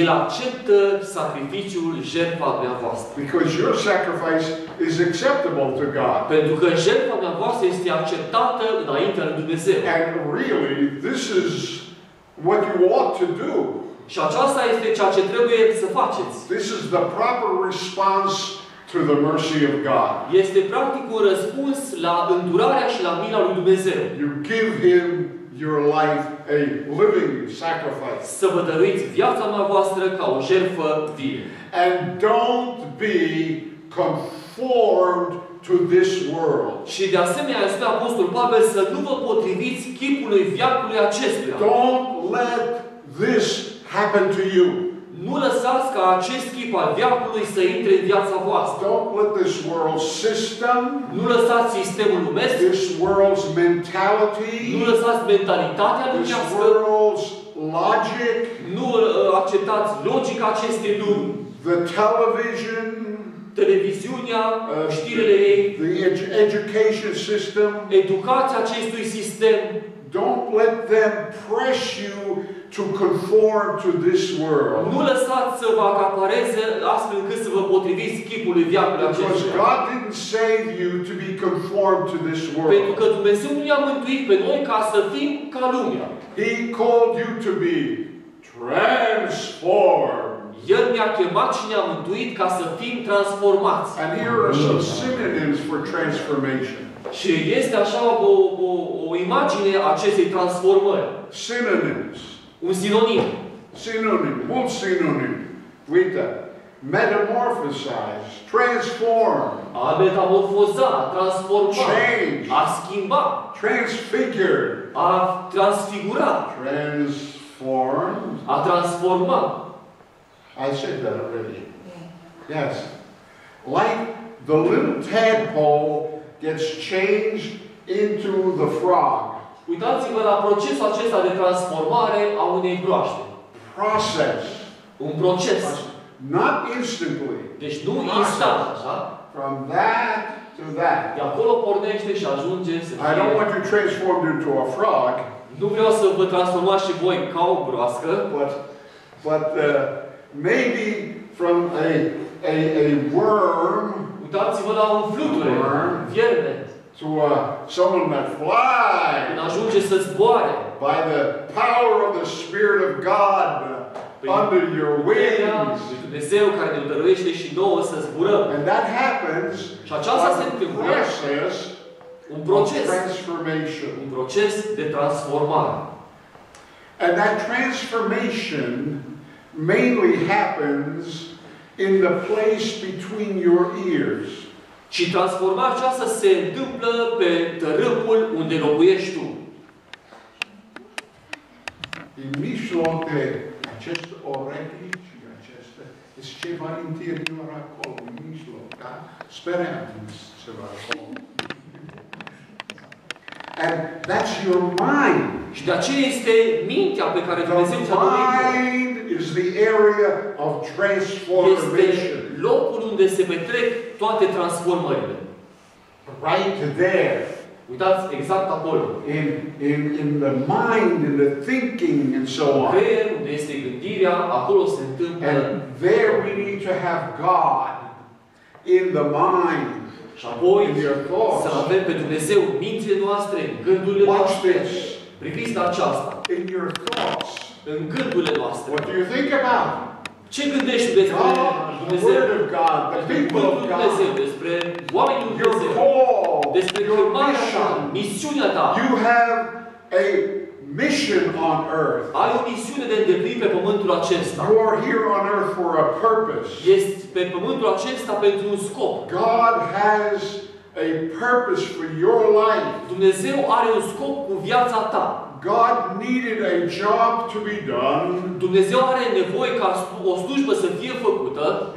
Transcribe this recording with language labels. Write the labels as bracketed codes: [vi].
[ro] El acceptă sacrificiul, jertfa dumneavoastră. [en] Because your sacrifice is acceptable to God. [ro] Pentru că jertfa dumneavoastră este acceptată înaintea lui Dumnezeu. [en] And really, this is what you ought to do. [ro] Și aceasta este ceea ce trebuie să faceți. [en] This is the proper response to the mercy of God. [ro] Este practic un răspuns la îndurarea și la mila lui Dumnezeu. [en] You give him your life a living sacrifice. [ro] Să vă dăruiți viața voastră ca o jertfă vie. [en] And don't be conformed to this world. [ro] Și de asemenea, este apostol Pavel să nu vă potriviți chipului viacului acestuia. [en] Don't let this happen to you. [ro] Nu lăsați ca acest chip al viacului să intre în viața voastră. [en] Don't let this world system. [ro] Nu lăsați sistemul lumesc. [en] This world's mentality. [ro] Nu lăsați mentalitatea lumească. [en] This world's logic. [ro] Nu acceptați logica acestei lumi. [en] The television. [ro] Televiziunea, știrile ei. [en] The education system. [ro] Educația acestui sistem. [en] Don't let them press you to conform to this world. [ro] Nu lăsați să vă acapareze astfel încât să vă potriviți chipului viacului acestuia. [en] Because God didn't save you to be conformed to this world. [ro] Pentru că Dumnezeu nu ne-a mântuit pe noi ca să fim ca lumea. [en] He called you to be transformed. [ro] El ne-a chemat și ne-a mântuit ca să fim transformați. [en] And here are some synonyms for transformation. [ro] Și este așa o imagine a acestei transformări. [en] Synonyms. [ro] Un sinonim. [en] Synonym. [ro] Mult sinonim. Uite. [en] Metamorphosize. Transform. [ro] A metamorfoza. Transforma. [en] Change. [ro] A schimba. [en] Transfigure. [ro] A transfigura. [en] Transform. [ro] A transforma. [en] I said that already. Yes. Like the little tadpole gets changed into the frog. [ro] Uitați-vă la procesul acesta de transformare a unei broaște. [en] Process. [ro] Un proces. Process. [en] Not instantly. [ro] Deci nu instant, așa? [en] From that to that. [ro] De acolo pornește și ajunge să fie. [en] I don't want you transformed into a frog. [ro] Nu vreau să vă transformați și voi ca o broască. [en] But maybe from a worm. [ro] Uitați-vă la un fluture, vierme. [en] To someone that flies. [ro] Când ajunge să zboare. [en] By the power of the Spirit of God under your wings. [ro] Dumnezeu care ne dăruiește și nouă să zburăm. [en] And that happens. [ro] Și aceasta se întâmplă. Un proces. [en] Transformation. [ro] Un proces de transformare. [en] And that transformation mainly happens in the place between your ears. [ro] Și transformarea aceasta se întâmplă pe tărâmul unde locuiești tu. În mijloc de acest orechi și acesta, este ceva interior acolo, în mijloc, da? Speranță ceva acolo. [en] And that's your mind. [ro] Și de aceea este mintea pe care Dumnezeu ți-a dorit-o. [en] The mind is the area of transformation. [ro] Locul unde se petrec toate transformările. [en] Right there. [ro] Uitați exact acolo. [en] In the mind, in the thinking, and so on. [ro] Creier, unde este gândirea, acolo se întâmplă. And there we need to have God in the mind. Și apoi să avem pe Dumnezeu în mintele noastre, în gândurile noastre. Priviți la aceasta. [en] In your thoughts. [ro] În gândurile noastre. [en] What do you think about? [ro] Ce gândești despre Dumnezeu? [en] The word of God, the people of God. [ro] Despre oamenii lui Dumnezeu. Despre chemarea ta, misiunea ta. [en] You have a mission on earth. [ro] Ai o misiune de îndeplinit pe pământul acesta. [en] You are here on earth for a purpose. [ro] Ești pe pământul acesta pentru un scop. [en] God has a purpose for your life. [ro] Dumnezeu are un scop cu viața ta. [en] God needed a job to be done. [ro] Dumnezeu are nevoie ca o slujbă să fie făcută.